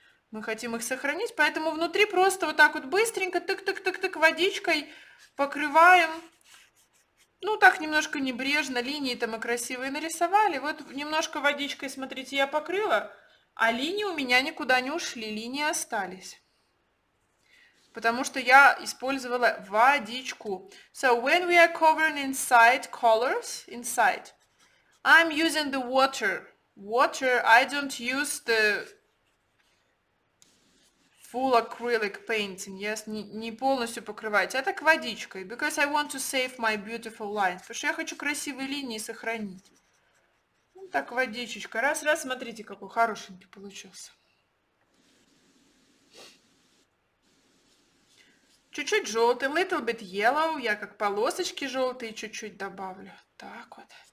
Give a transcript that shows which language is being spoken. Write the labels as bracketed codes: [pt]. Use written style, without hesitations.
[ru] Мы хотим их сохранить, поэтому внутри просто вот так вот быстренько, тык-тык-тык-тык, водичкой покрываем. Ну, так немножко небрежно, линии-то мы красивые нарисовали. Вот немножко водичкой, смотрите, я покрыла, а линии у меня никуда не ушли, линии остались. Потому что я использовала водичку. [en] So, when we are covering inside colors, inside, I'm using the water. Water, I don't use the full acrylic painting. [ru] Yes, не полностью покрывать, а так водичкой. [en] Because I want to save my beautiful lines. [ru] Потому что я хочу красивые линии сохранить. Ну, так, водичечка. Раз-раз, смотрите, какой хорошенький получился. Чуть-чуть желтый, little bit yellow, я как полосочки желтые чуть-чуть добавлю. Так вот.